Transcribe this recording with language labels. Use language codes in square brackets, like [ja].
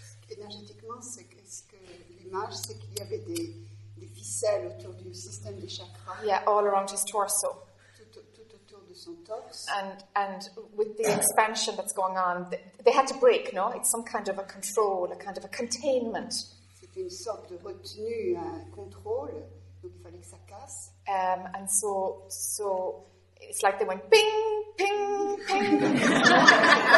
[fr] Énergétiquement, l'image, c'est qu'il y avait des ficelles autour du système des chakras. [en] Yeah, all around his torso. [fr] Tout autour de son torse. [en] And with the expansion that's going on, they had to break, no? It's some kind of a control, a kind of a containment. [fr] C'était une sorte de retenue, un contrôle, donc il fallait que ça casse. [en] And so it's like they went ping, ping, ping.